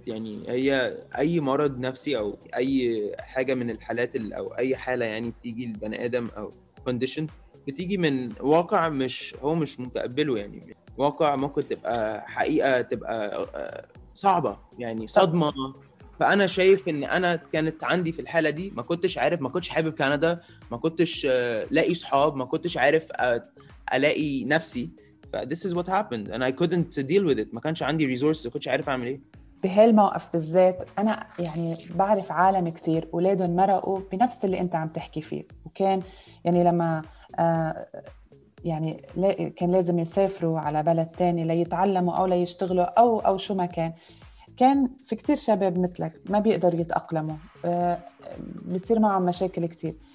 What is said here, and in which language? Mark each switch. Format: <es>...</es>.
<ar>يعني هي اي مرض نفسي او اي حاجة من الحالات او اي حالة يعني بتيجي لبني آدم او condition بتيجي من واقع مش هو مش متقبله، يعني واقع ممكن تبقى حقيقة تبقى صعبة يعني صدمة. فأنا شايف إن أنا كانت عندي في الحالة دي ما كنتش عارف، ما كنتش حابب كندا، ما كنتش لاقي صحاب، ما كنتش عارف ألاقي نفسي.</ar> <en>ف this is what happened and I couldn't deal with it،</en> <ar>ما كانش عندي</ar> <en>resources،</en> <ar>ما كنتش عارف أعمل إيه. بهالموقف بالذات أنا يعني بعرف عالم كتير أولادهم مرقوا بنفس اللي أنت عم تحكي فيه، وكان يعني لما يعني كان لازم يسافروا على بلد تاني ليتعلموا أو ليشتغلوا أو شو ما كان، كان في كتير شباب مثلك ما بيقدر يتأقلموا، بيصير معهم مشاكل كتير.</ar>